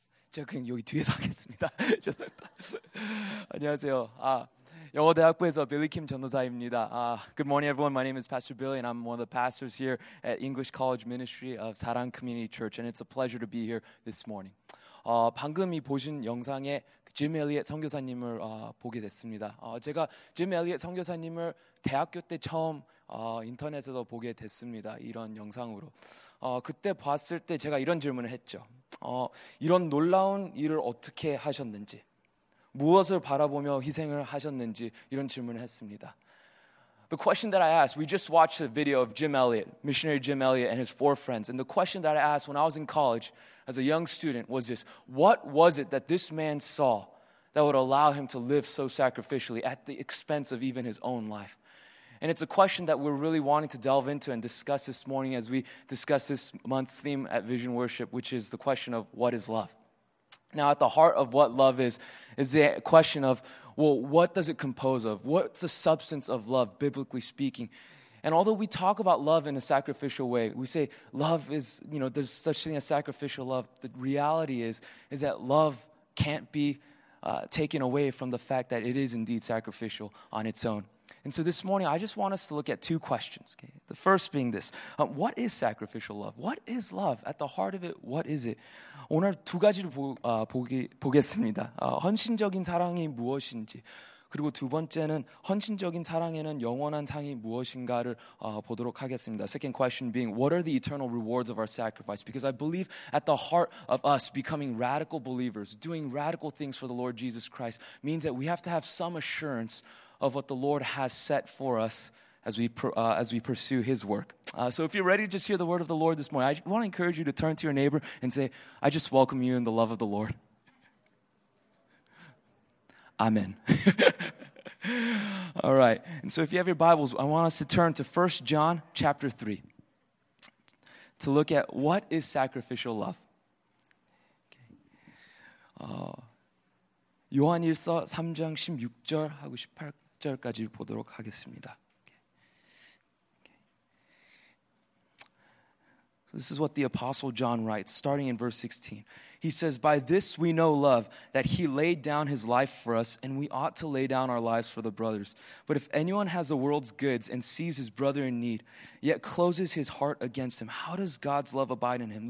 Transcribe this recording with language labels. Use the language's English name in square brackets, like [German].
[Korean] 제가 그냥 여기 뒤에서 하겠습니다. 죄송합니다. 안녕하세요. 영어대학부에서 빌리 킴 전도사입니다. [English] Good morning, everyone. My name is Pastor Billy, and I'm one of the pastors here at English College Ministry of 사랑 Community Church, and it's a pleasure to be here this morning. [Korean] 방금 이 보신 영상에 짐 엘리엇 선교사님을 보게 됐습니다. 제가 짐 엘리엇 선교사님을 대학교 때 처음 인터넷에서 보게 됐습니다. 이런 영상으로. 그때 봤을 때 제가 이런 질문을 했죠. 이런 놀라운 일을 어떻게 하셨는지, 무엇을 바라보며 희생을 하셨는지 이런 질문을 했습니다. [English] The question that I asked, we just watched a video of Jim Elliot, missionary Jim Elliot and his four friends. And the question that I asked when I was in college as a young student was this, what was it that this man saw that would allow him to live so sacrificially at the expense of even his own life? And it's a question that we're really wanting to delve into and discuss this morning as we discuss this month's theme at Vision Worship, which is the question of what is love? Now, at the heart of what love is the question of, well, what does it compose of? What's the substance of love, biblically speaking? And although we talk about love in a sacrificial way, we say love is, you know, there's such thing as sacrificial love. The reality is that love can't be taken away from the fact that it is indeed sacrificial on its own. And so this morning, I just want us to look at two questions. Okay? The first being this, what is sacrificial love? What is love? At the heart of it, what is it? [Korean] 오늘 두 가지를 보겠습니다. 헌신적인 사랑이 무엇인지, 그리고 두 번째는 헌신적인 사랑에는 영원한 상이 무엇인가를 보도록 하겠습니다. [English] Second question being, what are the eternal rewards of our sacrifice? Because I believe at the heart of us becoming radical believers, doing radical things for the Lord Jesus Christ, means that we have to have some assurance of what the Lord has set for us as we pursue His work. So if you're ready to just hear the word of the Lord this morning, I want to encourage you to turn to your neighbor and say, I just welcome you in the love of the Lord. Amen. All right. And so if you have your Bibles, I want us to turn to 1 John chapter 3 to look at what is sacrificial love. Okay. [Korean] 요한일서 3장 16절하고 18절까지 보도록 하겠습니다. [English] This is what the Apostle John writes, starting in verse 16. He says, By this we know love, that he laid down his life for us, and we ought to lay down our lives for the brothers. But if anyone has the world's goods and sees his brother in need, yet closes his heart against him, how does God's love abide in him?